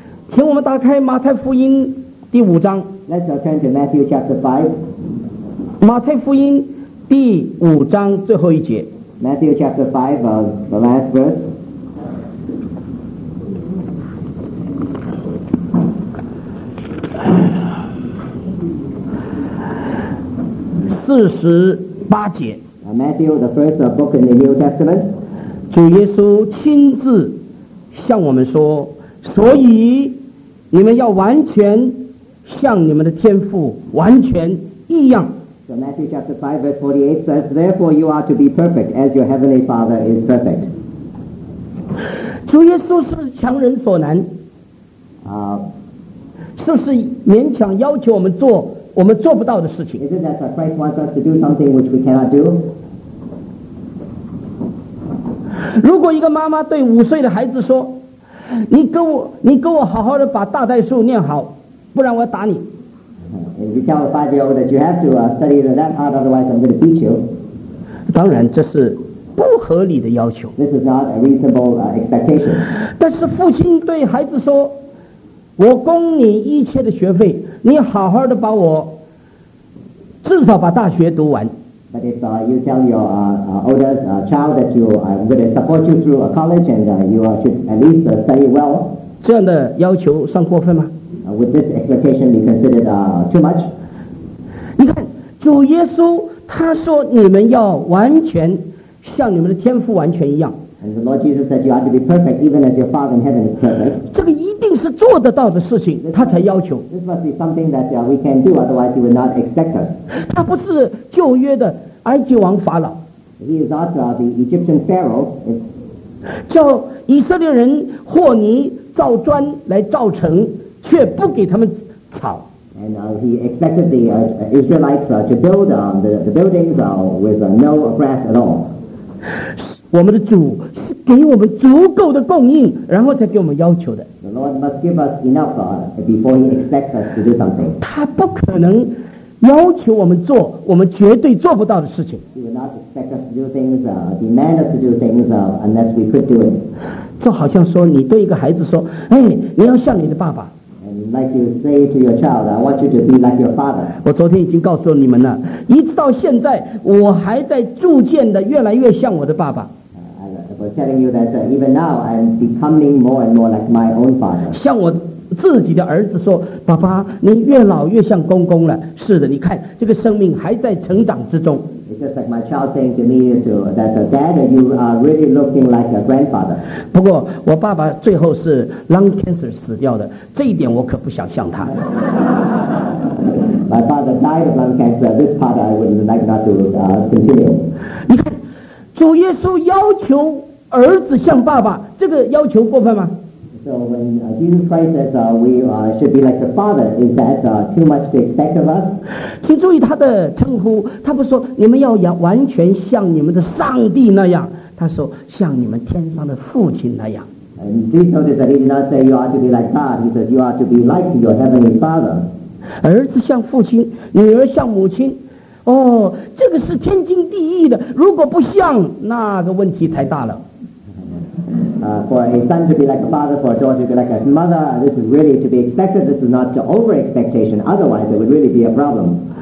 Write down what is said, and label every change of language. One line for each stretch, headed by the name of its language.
Chinese: 请我们打开马太福音第五章。
English: Let's turn to Matthew chapter 5.
Chinese: 马太福音第五章最后一节。
English: Matthew chapter 5, the last verse.
Chinese: 48节。
English: Matthew, the first book in the New Testament.
Chinese: 主耶稣亲自向我们说，所以你们要完全像你们的天父完全一样。
English: So Matthew chapter 5 verse 48 says, therefore you are to be perfect as your heavenly father is perfect.
Chinese: 主耶稣是不是强人所难？是不是勉强要求我们做我们做不到的事情？
English: Isn't that Christ wants us to do something which we cannot do?
Chinese: 如果一个妈妈对五岁的孩子说，你跟我好好的把大代数念好，不然我要打你。
English: If you tell a five-year-old that you have to study that part, otherwise I'm going to beat you.
Chinese: 当然这是不合理的要求。
English: This is not a reasonable expectation.
Chinese: 但是父亲对孩子说，我供你一切的学费，你好好的把我至少把大学读完。
English: But if you tell your oldest child that you are going to support you through a college and you should at least study well,
Chinese: 这样的要求算过分吗？
English: Would this expectation be considered too much?
Chinese: 你看，主耶稣他说你们要完全像你们的天父完全一样。
English: And the Lord Jesus said you ought to be perfect even as your Father in heaven is perfect.
Chinese: 这个一定是做得到的事情，他才要求。
English: This must be something that we can do, otherwise he would not expect us.
Chinese: 他不是旧约的埃及王法老。
English: He is not the Egyptian Pharaoh.
Chinese: 叫以色列人和泥造砖来造城，却不给他们草。
English: And he expected the Israelites to build the buildings with no grass at all.
Chinese: 我们的主是给我们足够的供应，然后才给我们要求的。
English: The Lord must give us enough before he expects us to do something.
Chinese: 他不可能要求我们做我们绝对做不到的事情。
English: He will not expect us to do things, demand us to do things unless we could do it.
Chinese: 就好像说你对一个孩子说，哎，你要像你的爸爸。
English: Like you say to your child, I want you to be like your father.
Chinese: 我昨天已经告诉你们了，一直到现在，我还在逐渐的越来越像我的爸爸。
English: I was telling you that even now I'm becoming more and more like my own father.
Chinese: 像我自己的儿子说，爸爸，你越老越像公公了。是的，你看这个生命还在成长之中。
English: It's just like my child saying to me too, that Dad, you are really looking like a grandfather.
Chinese: 不过我爸爸最后是
English: lung cancer
Chinese: 死掉的，这一点我可不想像他。
English: My father died of lung cancer. This part I would like not to continue.
Chinese: 你看，主耶稣要求儿子像爸爸，这个要求过分吗？
English: So when Jesus Christ says we should be like the Father, is that too much to expect of us?
Chinese: 请注意他的称呼，他不说你们要完全像你们的上帝那样，他说像你们天上的父亲那样。
English: And please notice that he did not say you are to be like God, he says you are to be like your heavenly Father.
Chinese: 儿子像父亲，女儿像母亲，哦，这个是天经地义的，如果不像，那个问题才大了。
English: For a son to be like a father, for a daughter to be like a mother, this is really to be expected. This is not to over expectation. Otherwise, it would really be a problem.